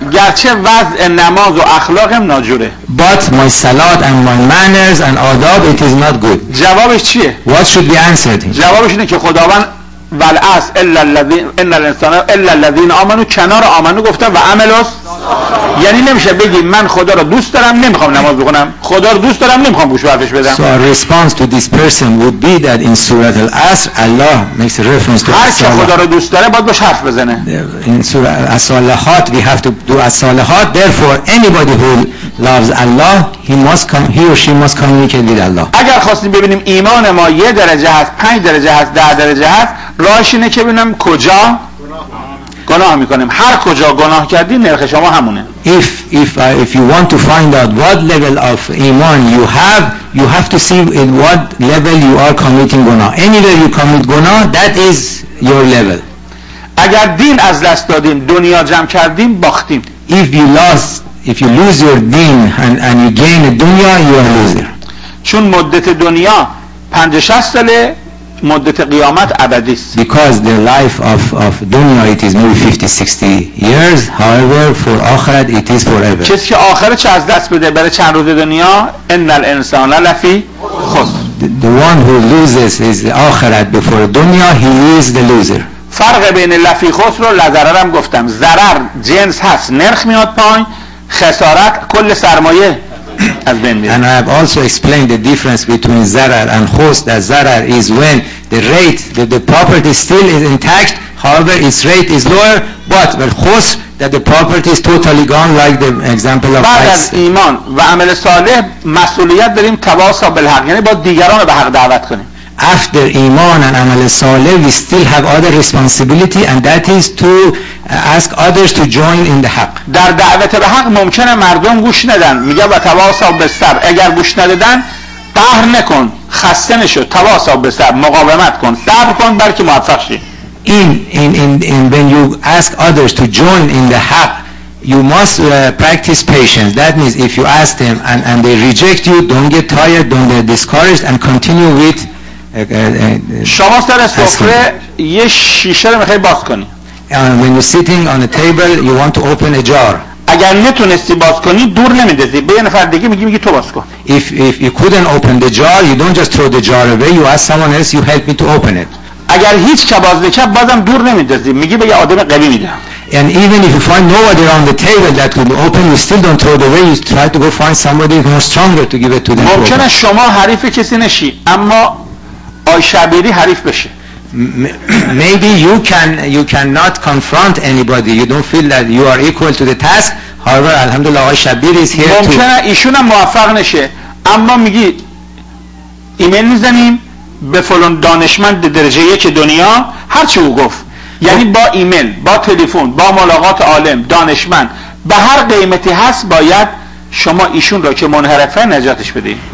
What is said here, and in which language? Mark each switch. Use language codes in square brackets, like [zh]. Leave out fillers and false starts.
[fa] گرچه وضع نماز و اخلاقم ناجوره. [en] But my salat and my manners and adab, it is not good. [fa] جوابش چیه؟ [en] What should be answered? [fa] جوابش اینه که خداوند والعص [ar] الا الذين ان الانسان الا الذين امنوا [fa] کنار امنوا گفتن و عملوس. یعنی نمیشه بگی من خدا رو دوست دارم نمیخوام نماز بخونم، خدا رو دوست دارم نمیخوام گوش حرفش بدم. [en] So our response to this person would be that in Surah Al-Asr Allah makes a reference to [fa] هر کی خدا رو دوست داره باید باش حرف بزنه. [en] In Surah As-Salihat we have to do As-Salihat, therefore anybody who loves Allah he or she must communicate with Allah. [fa] اگر خواستیم ببینیم ایمان ما یه درجه هست، 5 درجه هست، 10 درجه هست، راهش اینه که ببینم کجا گناه میکنیم. هر کجا گناه کردی نرخ شما همونه. [en] If you want to find out what level of iman you have to see in what level you are committing guna. Anywhere you commit guna, that is your level. [fa] اگر دین از دست دادیم، دنیا جمع کردیم، باختیم. [en] If you lose your deen and you gain a dunya, you are loser. [fa] چون مدت دنیا 50-60 ساله، مدت قیامت ابدی است. [en] Because the life of dunya it is maybe 50-60 years, however for akhirat it is forever. [fa] کسی که آخرت چه از دست بده برای چند روز دنیا، [ar] ان الانسان لفی خسر. [en] The one who loses his akhirat before dunya, he is the loser. [fa] فرق بین لفی خسر و لضرر هم گفتم. ضرر جنس هست، نرخ میاد پایین، خسارت کل سرمایه. [en] And I have also explained the difference between zarar and khusr, that zarar is when the rate, the property still is intact, however its rate is lower, but when khusr, that the property is totally gone, like the example of ice. [fa] بعد از ایمان و عمل صالح مسئولیت داریم تواصل بالحق، یعنی با دیگران به حق دعوت کنیم. [en] After iman and amal salih, we still have other responsibility, and that is to ask others to join in the haq. [fa] در دعوت به حق ممکنه مردم گوش ندن. میگه با تواصل به صبر. اگر گوش ندادن قهر نکن، خسته نشو، تواصل به صبر، مقاومت کن، صبر کن، بلکه موفق شی. [en] In when you ask others to join in the haq, you must practice patience. That means if you ask them and they reject you, don't get tired, don't get discouraged, and continue with. [fa] شما سر سفره یه شیشه رو میخوای باز کنی. [en] And when you're sitting on a table, you want to open a jar. [fa] اگر نتونستی باز کنی دور نمیدازی، به یه نفر دیگه میگی تو باز کن. [en] If you couldn't open the jar, you don't just throw the jar away, you ask someone else, you help me to open it. [fa] اگر هیچ که باز نکرد بازم دور نمیدازی، میگی به یه آدم قوی میدم. [en] And even if you find nobody on the table that could open, you still don't throw it away. You try to go find somebody more stronger to give it to them. [fa] ممکنه شما حریف کسی نشی، اما آی شبیری حریف بشه. [en] Maybe you cannot confront anybody. You don't feel that you are equal to the task. However, alhamdulillah, آی شبیری is here. [fa] ممکنه ایشون هم موفق نشه، اما میگی ایمیل میزنیم به فلان دانشمند درجه یک دنیا هر چی او گفت، یعنی با ایمیل، با تلفن، با ملاقات عالم، دانشمند، به هر قیمتی هست باید شما ایشون را که منحرفه نجاتش بدید.